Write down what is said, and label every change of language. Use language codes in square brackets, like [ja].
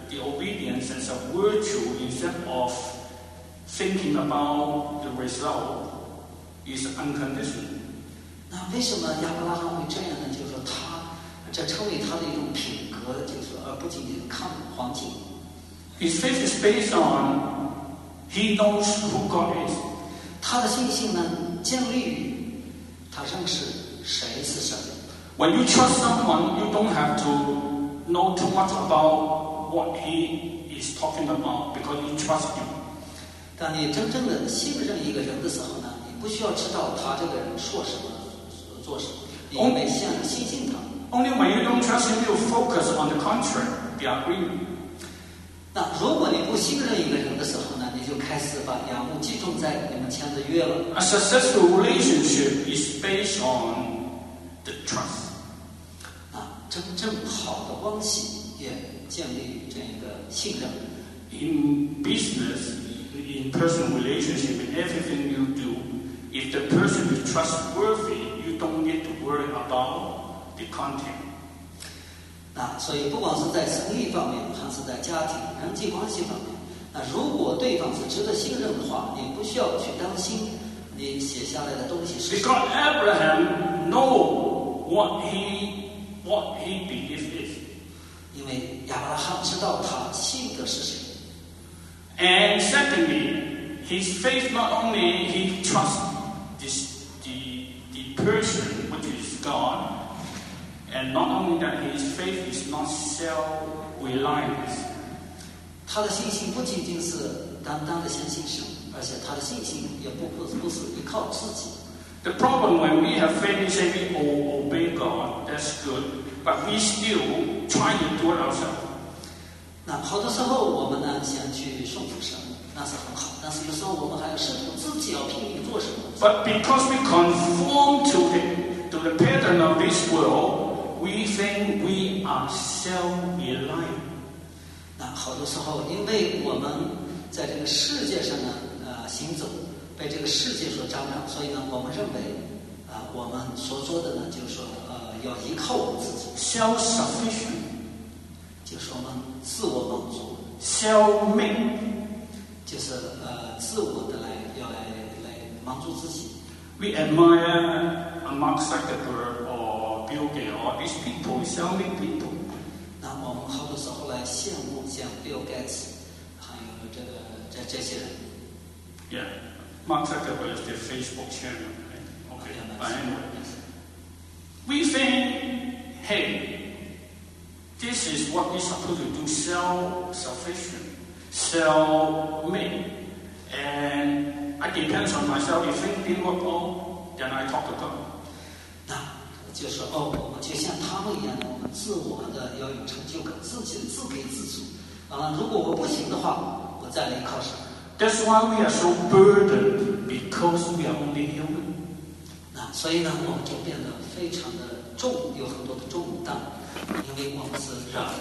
[en] The obedience as a virtue instead of thinking about the result is unconditional. [zh] 那为什么亚伯拉罕会这样呢？就是他这成为他的一种品格，就是而不仅仅看环境。 [en] His faith is based on he knows who God is. [zh] 他的信心呢，建立于他认识谁是神。 [en] When you trust someone, you don't have to know too much about. What he is talking about, because he trusts you. [zh] 当你真正的信任一个人的时候呢，你不需要知道他这个人说什么、做什么，你先信信他。 [en] Only when you don't trust him, you focus on the contrary, the agreement. [zh] 那如果你不信任一个人的时候呢，你就开始把眼目集中在你们签的约了。 [en] A successful relationship is based on the trust. [zh] 那真正好的关系也。建立这样一个信任。 [en] In business, in personal relationship, in everything you do, if the person is trustworthy, you don't need to worry about the content. [zh] 那所以不管是在生意方面，还是在家庭、人际关系方面，那如果对方是值得信任的话，你不需要去担心你写下来的东西是。 [en] Because Abraham know what he believes in. [zh] 因为亚伯拉罕知道他信的是谁。 [en] And secondly, his faith not only he trusts the person which is God, And not only that, his faith is not self-reliant. [zh] 他的信心不仅仅是单单的相信神，而且他的信心也不是依靠自己。 [en] The problem when we have faith is that we obey God, that's good, but we still try to do it ourselves. [zh] 那好多时候我们呢想去顺服神，那是很好，但是有时候我们还要试图自己要拼命做什么。 [en] But because we conform to the pattern of this world, we think we are self-reliant. [zh] 那好多时候因为我们在这个世界上呢行走，被这个世界所掌掌，所以呢我们认为我们所做的呢就是说要依靠我们自己 [en] self-sufficient， [zh] 就是我们自我满足 [en] self-made， [zh] 就是自我的来满足自己。 [en] We admire Mark Zuckerberg or Bill Gates or these people, self-made people。 [zh] 那我们好多时候来羡慕像 Bill Gates 还有这些人。 [en] Yeah, Mark Zuckerberg is the Facebook chairman, right? Okay, but anyway, we think, hey, this is what we're supposed to do, self-sufficient, self-made, and I depend on myself. If things didn't work well, then I talk to God. [zh] 就是我们就像他们一样，我们自我的要有成就感，自己自给自足。如果我不行的话，我再来靠神。 [en] That's why we are so burdened because we are only human. [zh] 那所以呢，我们就变得非常的重，有很多的重担，因为我们是人。